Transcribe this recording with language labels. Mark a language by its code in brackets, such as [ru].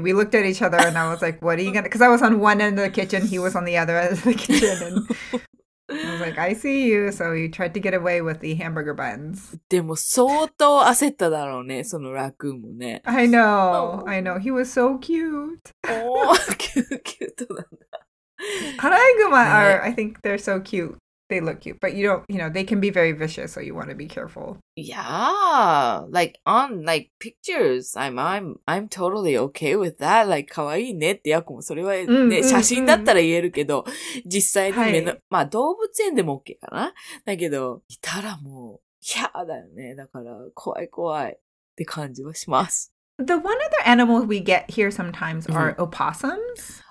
[en] We looked at each other and I was like, what are you gonna... Because I was on one end of the kitchen, he was on the other end of the kitchen. And I was like, I see you. So you tried to get away with the hamburger buns. [ja] でも相当焦っただろうね、そのラクーンもね。 [en] I know,、oh. I know. He was so cute. Oh, cute. アライグマ are, I think they're so cute. They look cute, but you don't, you know, they can be very vicious, so you want to be careful. Yeah, like on like pictures, I'm totally okay with that. [ja] Like, kawaii ne ってやっこもそれはね、写真だったら言えるけど、実際に目の、まあ動物園でも OK かな。だけど、いたらもう、やだよね。だから、怖い怖いって感じはします。 [en] The one other animal we get here sometimes are opossums.